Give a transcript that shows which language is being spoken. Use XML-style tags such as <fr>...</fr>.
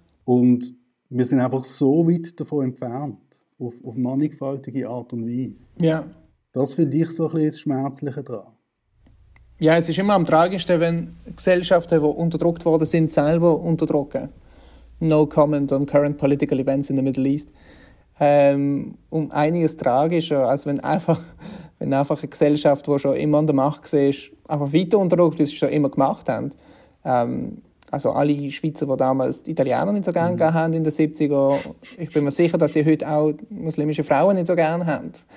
<de>Und wir sind einfach so weit davon entfernt, auf mannigfaltige Art und Weise. Ja. Das finde ich so ein bisschen das Schmerzliche daran. Ja, es ist immer am tragischsten, wenn Gesellschaften, die unterdrückt worden sind, selber unterdrücken.</de> <en>No comment on current political events in the Middle East.</en> <de>Um einiges tragischer, als wenn einfach eine Gesellschaft, die schon immer an der Macht war, einfach weiter unterdrückt, wie sie schon immer gemacht haben. Also alle Schweizer, die damals die Italiener nicht so gerne gehabt haben in den 70er, ich bin mir sicher, dass die heute auch muslimische Frauen nicht so gerne haben.</de>